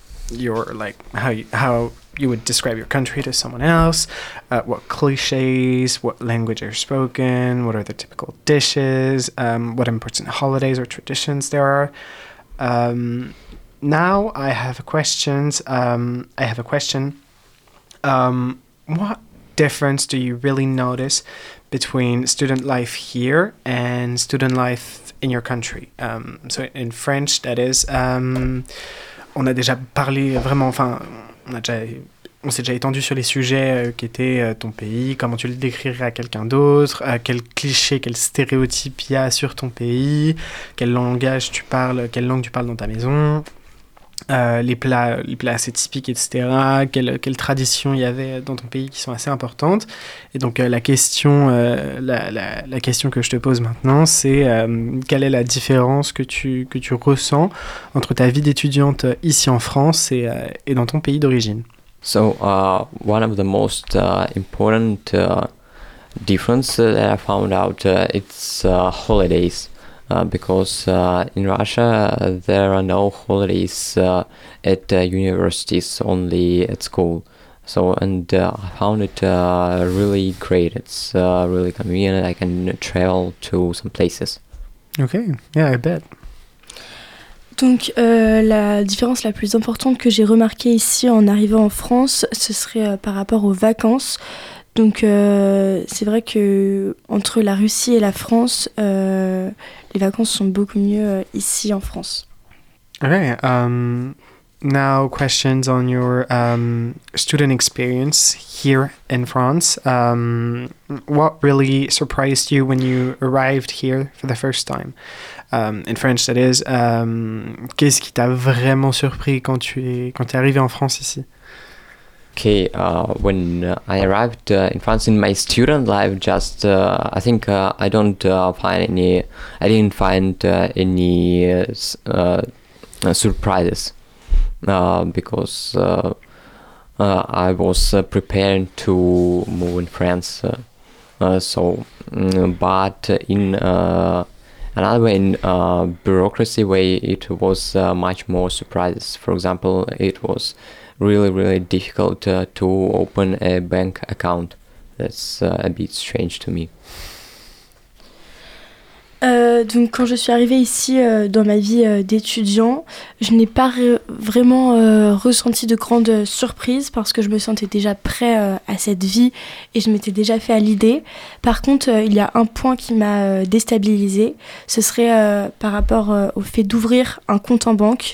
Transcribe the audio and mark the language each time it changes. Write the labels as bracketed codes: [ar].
[en] Your like how you would describe your country to someone else, what cliches, what language are spoken, what are the typical dishes, what important holidays or traditions there are. Now I have questions. I have a question. What difference do you really notice between student life here and student life in your country? So in French, that is, [fr] on a déjà parlé vraiment, enfin, on s'est déjà étendu sur les sujets qui étaient ton pays, comment tu le décrirais à quelqu'un d'autre, quel cliché, quel stéréotype il y a sur ton pays, quel langage tu parles, quelle langue tu parles dans ta maison, les plats assez typiques, etc., quelles traditions il y avait dans ton pays qui sont assez importantes. Et donc la question que je te pose maintenant, c'est quelle est la différence que tu ressens entre ta vie d'étudiante ici en France et dans ton pays d'origine. [en] So one of the most important difference that I found out it's holidays. Because in Russia there are no holidays at universities, only at school. So, and I found it really great. It's really convenient. I can travel to some places. Okay, yeah, I bet. [fr] Donc, la différence la plus importante que j'ai remarquée ici en arrivant en France, ce serait par rapport aux vacances. Donc, c'est vrai que entre la Russie et la France, les vacances sont beaucoup mieux ici en France. [en] Okay. Now questions on your student experience here in France. What really surprised you when you arrived here for the first time? In French, that is. [fr] Qu'est-ce qui t'a vraiment surpris quand tu es arrivé en France ici? [en] Okay, when I arrived in France in my student life, just I think I don't find any, I didn't find any surprises because I was preparing to move in France. But in another way, in bureaucracy way, it was much more surprises. For example, it was really, really difficult to open a bank account. That's a bit strange to me. [fr] Donc, quand je suis arrivée ici dans ma vie d'étudiant, je n'ai pas vraiment ressenti de grandes surprises parce que je me sentais déjà prêt à cette vie et je m'étais déjà fait à l'idée. Par contre, il y a un point qui m'a déstabilisée. Ce serait par rapport au fait d'ouvrir un compte en banque.